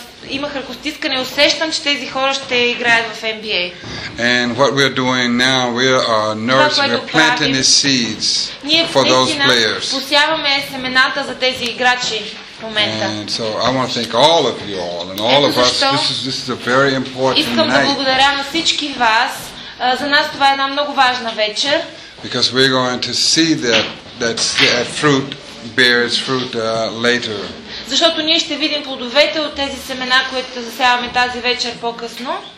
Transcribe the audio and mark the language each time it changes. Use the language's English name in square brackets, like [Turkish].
[Bulgarian] Имах ръкостискане, усещам, че тези хора ще играят в NBA. [English] And what we're doing now, we are nursing, we're planting the seeds for those players. [Bulgarian] Ние посяваме семената за тези играчи в момента. [English] And so I want to thank all of you all and all of us. This is a very important night. [Bulgarian] Искам да благодаря на всички вас. За нас това е една много важна вечер. [English] Because we're going to see that fruit bears fruit later. [Bulgarian] Защото ние ще видим плодовете от тези семена, които засяваме тази вечер по-късно.